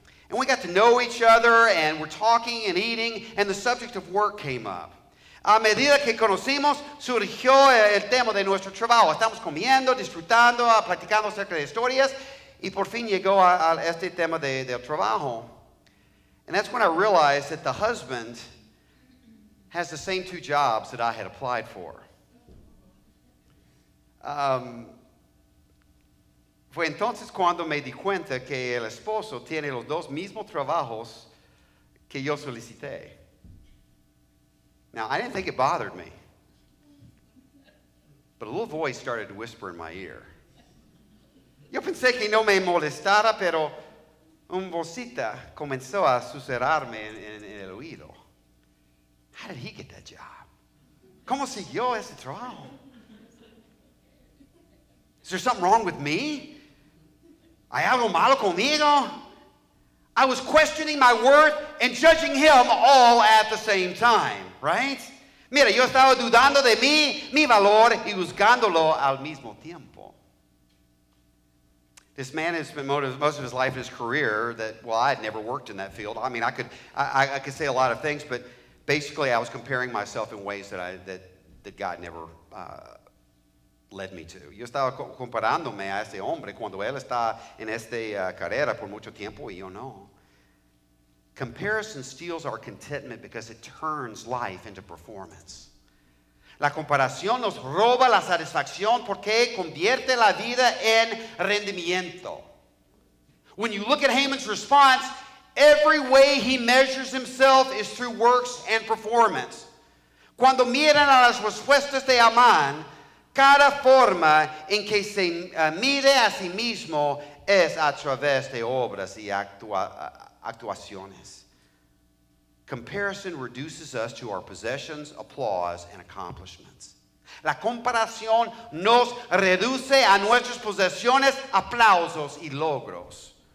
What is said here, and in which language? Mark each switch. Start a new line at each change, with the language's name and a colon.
English: And we got to know each other, and we're talking and eating, and the subject of work came up.
Spanish: A medida que conocimos, surgió el tema de nuestro trabajo. Estamos comiendo, disfrutando, platicando acerca de historias, y por fin llegó a este tema de trabajo.
English: And that's when I realized that the husband has the same two jobs that I had applied for.
Spanish: Fue entonces cuando me di cuenta que el esposo tiene los dos mismos trabajos que yo solicité.
English: Now, I didn't think it bothered me. But a little voice started to whisper in my ear.
Spanish: Yo pensé que no me molestara, pero un vocita comenzó a susurrarme en el oído.
English: How did he get that job?
Spanish: ¿Cómo siguió ese trabajo?
English: Is there something wrong with me?
Spanish: ¿Hay algo malo conmigo?
English: I was questioning my worth and judging him all at the same time, right?
Spanish: Mira, yo estaba dudando de mí, mi valor, y juzgándolo al mismo tiempo.
English: This man has spent most of his life in his career I had never worked in that field. I mean, I could say a lot of things, but basically I was comparing myself in ways that God never led me to.
Spanish: Yo estaba comparándome a ese hombre cuando él está en esta carrera por mucho tiempo y yo no.
English: Comparison steals our contentment because it turns life into performance.
Spanish: La comparación nos roba la satisfacción porque convierte la vida en rendimiento.
English: When you look at Haman's response, every way he measures himself is through works and performance.
Spanish: Cuando miran a las respuestas de Amán, cada forma en que se mire a sí mismo es a través de obras y actuaciones.
English: Comparison reduces us to our possessions, applause, and accomplishments.
Spanish: La comparación nos reduce a nuestras posesiones, aplausos, y logros.